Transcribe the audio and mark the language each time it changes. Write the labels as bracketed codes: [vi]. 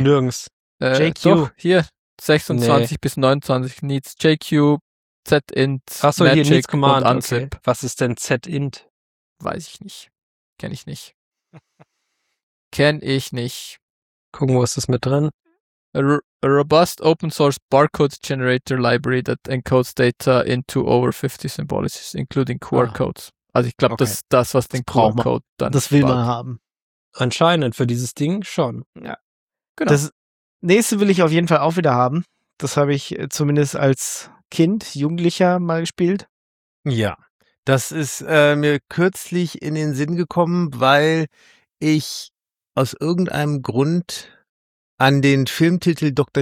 [de] Nirgends. JQ. Doch, hier 26 bis 29 Needs. JQ, Zint, achso, Magic hier Needs Command und Unzip. Okay. Was ist denn Zint? Weiß ich nicht. Kenn ich nicht. Gucken, wo ist das mit drin? [en] A robust open source barcode generator library that encodes data into over 50 symbolics, including QR codes. [de] Also ich glaube, das ist das, was den QR code dann. Das will man haben. Anscheinend für dieses Ding schon. Ja. Genau. Das nächste will ich auf jeden Fall auch wieder haben. Das habe ich zumindest als Kind, Jugendlicher mal gespielt. Ja. Das ist mir kürzlich in den Sinn gekommen, weil ich aus irgendeinem Grund an den Filmtitel Dr.